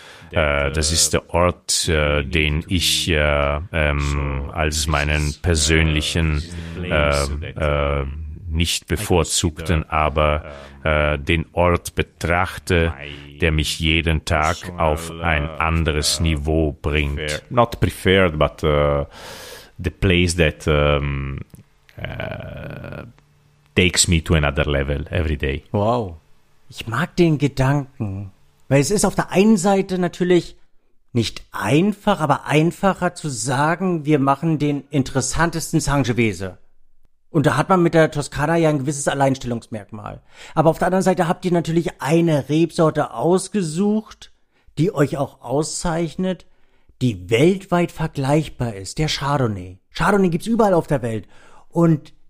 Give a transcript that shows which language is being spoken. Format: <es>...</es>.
<de>Das ist der Ort, den ich als meinen persönlichen, nicht bevorzugten, aber den Ort betrachte, der mich jeden Tag auf ein anderes Niveau bringt.</de> <en>Not preferred, but the place that takes me to another level every day.</en> <de>Wow. Ich mag den Gedanken. Weil es ist auf der einen Seite natürlich nicht einfach, aber einfacher zu sagen, wir machen den interessantesten Sangiovese. Und da hat man mit der Toskana ja ein gewisses Alleinstellungsmerkmal. Aber auf der anderen Seite habt ihr natürlich eine Rebsorte ausgesucht, die euch auch auszeichnet, die weltweit vergleichbar ist. Der Chardonnay. Chardonnay gibt's überall auf der Welt. Und</de>